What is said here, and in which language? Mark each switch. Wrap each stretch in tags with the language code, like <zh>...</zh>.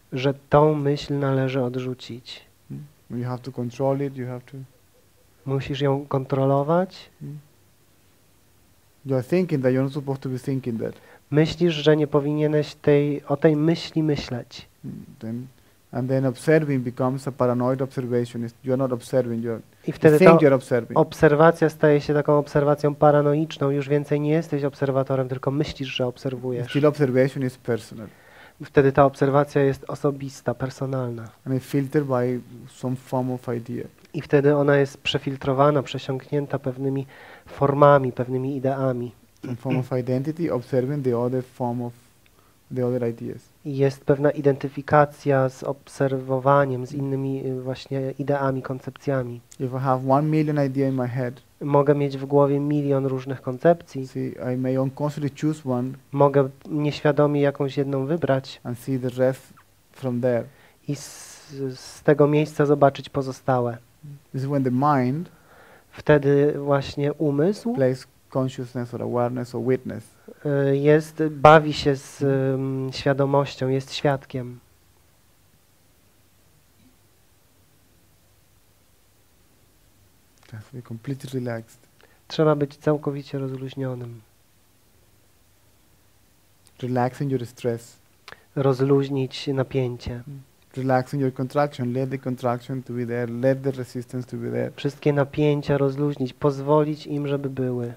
<pl>Że tą myśl należy odrzucić. Hmm?</pl> <en>You have to control it, you have to.</en> <pl>Musisz ją kontrolować. Hmm?</pl> <en>You're thinking that you're not supposed to be thinking that.</en> <pl>Myślisz, że nie powinieneś o tej myśli myśleć.</pl> <en>And then observing becomes a paranoid observation. You're not observing, you're</en> <pl>i wtedy</pl> <en>you think you're observing.</en> <pl>Obserwacja staje się taką obserwacją paranoiczną. Już więcej nie jesteś obserwatorem, tylko myślisz, że obserwujesz.</pl> <en>Still observation is personal.</en> <pl>Wtedy ta obserwacja jest osobista, personalna.</pl> <en>And it's filtered by some form of idea.</en> <pl>I wtedy ona jest przefiltrowana, przesiąknięta pewnymi formami, pewnymi ideami.</pl> <en>Form of identity, observing the other form of the other ideas.</en> <pl>Jest pewna identyfikacja z obserwowaniem, z innymi właśnie ideami, koncepcjami.</pl> <en>If I have 1 million ideas in my head,</en> <pl>mogę mieć w głowie milion różnych koncepcji.</pl> <en>See, I may unconsciously choose one.</en> <pl>Mogę nieświadomie jakąś jedną wybrać.</pl> <en>And see the rest from there.</en> <pl>I z tego miejsca zobaczyć pozostałe.</pl> <en>This is when the mind.</en> <pl>Wtedy właśnie umysł.</pl> <en>Consciousness or awareness or witness.</en> <pl>Jest, bawi się z świadomością, jest świadkiem. Trzeba być</pl> <en>completely relaxed.</en> <pl>Trzeba być całkowicie rozluźnionym.</pl> <en>Relaxing your stress.</en> <pl>Rozluźnić napięcie.</pl> <en>Relaxing your contraction, let the contraction to be there, let the resistance to be there.</en> <pl>Wszystkie napięcia rozluźnić, pozwolić im, żeby były.</pl>